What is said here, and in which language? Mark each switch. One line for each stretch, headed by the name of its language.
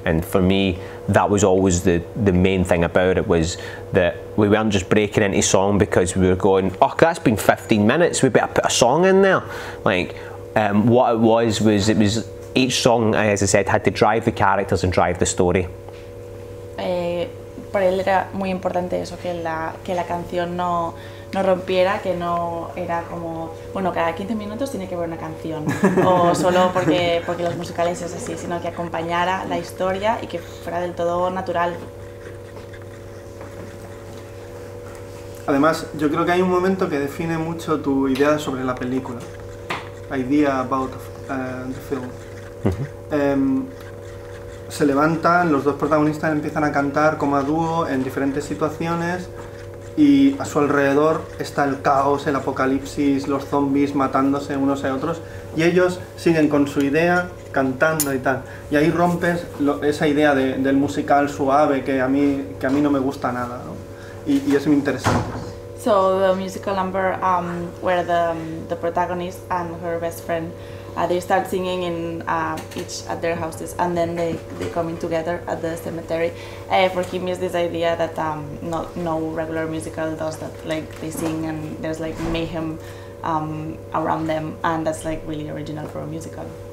English: And for me, that was always the main thing about it, was that we weren't just breaking into song because we were going, oh, that's been 15 minutes, we better put a song in there. Like, what it was each song, as I said, had to drive the characters and drive the story.
Spanish: Para él era muy importante eso, que la canción no rompiera, que no era como, bueno, cada 15 minutos tiene que haber una canción, o solo porque los musicales es así, sino que acompañara la historia y que fuera del todo natural. Además, yo creo que hay un momento que define mucho tu idea sobre la película.
English: Idea about the film. Mm-hmm.
Spanish: Se levantan, los dos protagonistas empiezan a cantar como a dúo en diferentes situaciones y a su alrededor está el caos, el apocalipsis, los zombies matándose unos a otros y ellos siguen con su idea cantando y tal. Y ahí rompes esa idea del musical suave que a mí no me gusta nada, ¿no? Y es muy interesante.
English: So the musical number where the protagonist and her best friend they start singing in each at their houses and then they come in together at the cemetery. For him is this idea that no regular musical does that, like they sing and there's like mayhem around them, and that's like really original for a musical.